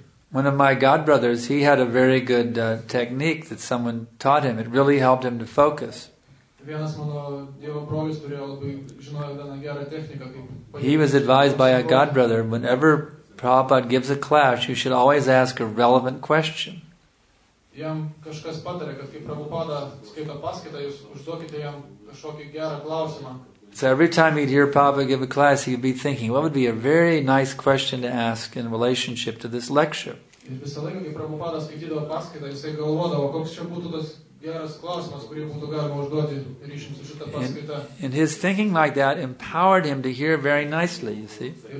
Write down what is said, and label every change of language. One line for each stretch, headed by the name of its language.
English: One of my godbrothers, he had a very good technique that someone taught him. It really helped him to focus. He was advised by a godbrother, whenever Prabhupada gives a class, you should always ask a relevant question.
Lithuanian: Jam kažkas patarė, kad kai Prabhupada skaito paskaitą, jūs užduokite jam kažkokį gerą klausimą.
English: So every time he'd hear Prabhupada give a class, he'd be thinking, what would be a very nice question to ask in relationship to this lecture? And his thinking like that empowered him to hear very nicely, you see.